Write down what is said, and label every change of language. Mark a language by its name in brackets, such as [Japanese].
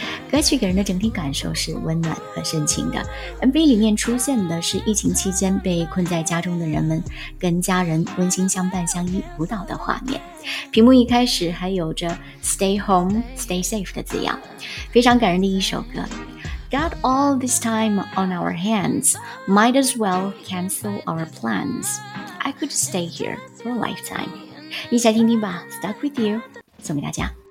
[Chinese] 歌曲给人的整体感受是温暖和深情的， MV 里面出现的是疫情期间被困在家中的人们跟家人温馨相伴相依舞蹈的画面，屏幕一开始还有着 [English] Stay Home Stay Safe [Chinese] 的字样，非常感人的一首歌。 [English] Got all this time on our hands, might as well cancel our plans, I could stay here for a lifetime。 [Chinese] 一起来听听吧， Stuck With You 送给大家。